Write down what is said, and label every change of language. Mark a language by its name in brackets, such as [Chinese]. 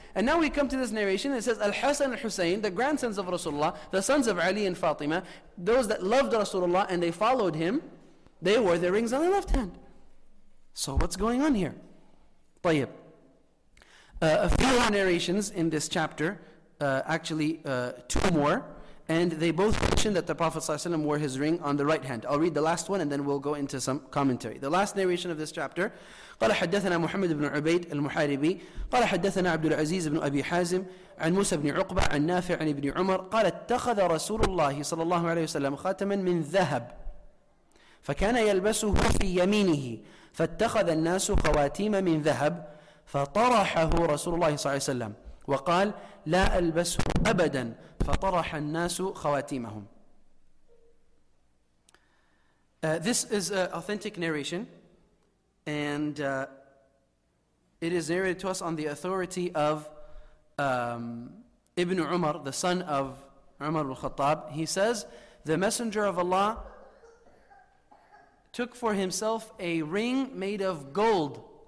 [English] And now we come to this narration, and it says, Al-Hasan al-Husayn, the grandsons of Rasulullah, the sons of Ali and Fatima, those that loved Rasulullah and they followed him, they wore their rings on the left hand. So what's going on here? Tayyib. A few more narrations in this chapter, two more, and they both mention that the Prophet ﷺ wore his ring on the right hand. I'll read the last one and then we'll go into some commentary. The last narration of this chapter, [Arabic] قال حدثنا محمد بن عبيد المحاربي قال حدثنا عبد العزيز بن أبي حازم عن موسى بن عقبة عن نافع عن ابن عمر قال اتخذ رسول الله صلى الله عليه وسلم خاتما من ذهب فكان يلبسه في يمينه فاتخذ الناس خواتيم من ذهب فطرحه رسول الله صلى الله عليه وسلم وقال لا ألبسه أبدا فطرح الناس خواتيمهم. [English] This is an authentic narration, and it is narrated to us on the authority of Ibn Umar, the son of Umar al-Khattab. He says, the Messenger of Allah took for himself a ring made of gold.